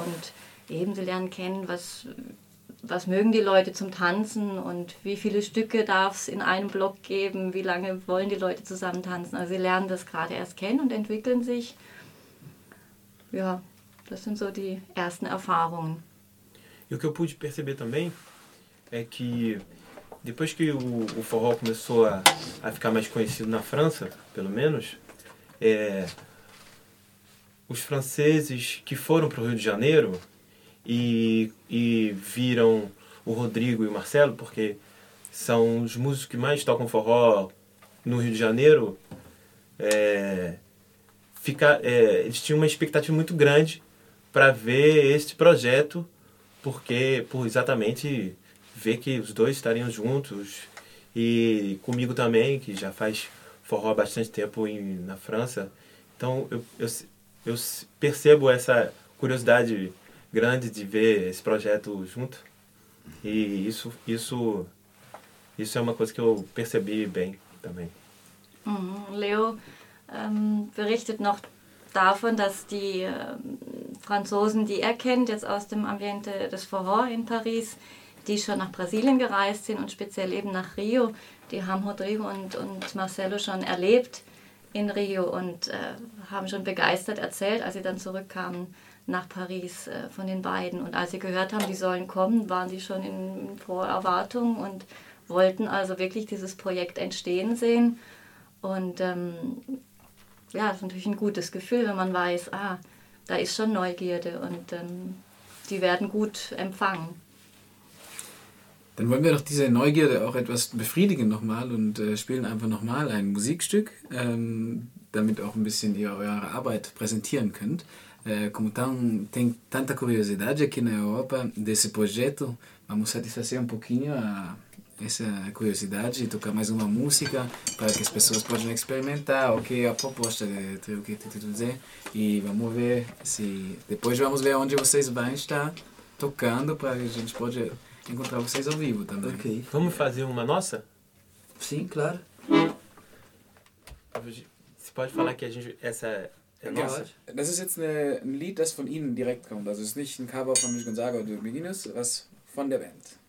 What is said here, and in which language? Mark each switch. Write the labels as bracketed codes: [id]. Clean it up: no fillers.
[de] Und eben, sie lernen kennen, was mögen die Leute zum Tanzen und wie viele Stücke darf es in einem Block geben, wie lange wollen die Leute zusammen tanzen. Also sie lernen das gerade erst kennen und entwickeln sich, ja. Das sind so die ersten Erfahrungen. [pt] E o que eu pude perceber também é que depois que o forró começou a ficar mais conhecido na França, pelo menos, os franceses que foram para o Rio de Janeiro e viram o Rodrigo e o Marcelo, porque são os músicos que mais tocam forró no Rio de Janeiro, eles tinham uma expectativa muito grande para ver este projeto, porque por exatamente ver que os dois estariam juntos e comigo também, que já faz forró há bastante tempo na França. Então eu percebo essa curiosidade grande de ver esse projeto junto. E isso é uma coisa que eu percebi bem também. Leo berichtet noch davon, dass die Franzosen, die er kennt, jetzt aus dem Ambiente des Forró in Paris, die schon nach Brasilien gereist sind und speziell eben nach Rio, die haben Rodrigo und Marcelo schon erlebt in Rio und haben schon begeistert erzählt, als sie dann zurückkamen nach Paris von den beiden. Und als sie gehört haben, die sollen kommen, waren sie schon in froher Erwartung und wollten also wirklich dieses Projekt entstehen sehen. Und ja, das ist natürlich ein gutes Gefühl, wenn man weiß, ah, da ist schon Neugierde und die werden gut empfangen. Dann wollen wir doch diese Neugierde auch etwas befriedigen nochmal und spielen einfach nochmal ein Musikstück, damit auch ein bisschen ihr eure Arbeit präsentieren könnt. Como tem tanta curiosidade aqui na Europa desse projeto, vamos satisfazer pouquinho a essa curiosidade e tocar mais uma música para que as pessoas possam experimentar o que é a proposta de o que tem tudo dizer e vamos ver se depois vamos ver onde vocês vão estar tocando para que a gente pode encontrar vocês ao vivo também. Ok. Vamos fazer uma nossa? Sim, claro. Você pode falar que a gente essa [de] Genau. Das ist jetzt ein Lied, das von Ihnen direkt kommt. Also es ist nicht ein Cover von Luis Gonzaga oder Meninos, was von der Band.